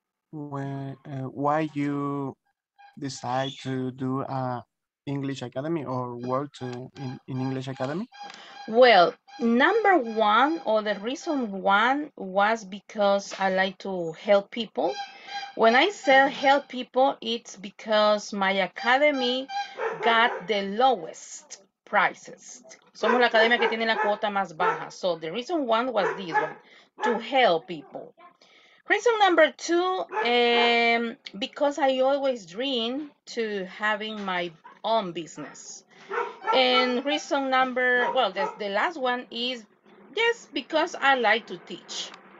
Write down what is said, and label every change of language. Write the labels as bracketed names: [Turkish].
[English] Why you decide to do a English Academy or work in English Academy? Well, number one, or the reason one, was because I like to help people. When I say help people, it's because my academy got the lowest prices. [Spanish] Somos la academia que tiene la cuota más baja. [English] So the reason one was this one, to help people. Reason number two, because I always dream to having my own business. And reason number, the last one is, yes, because I like to teach.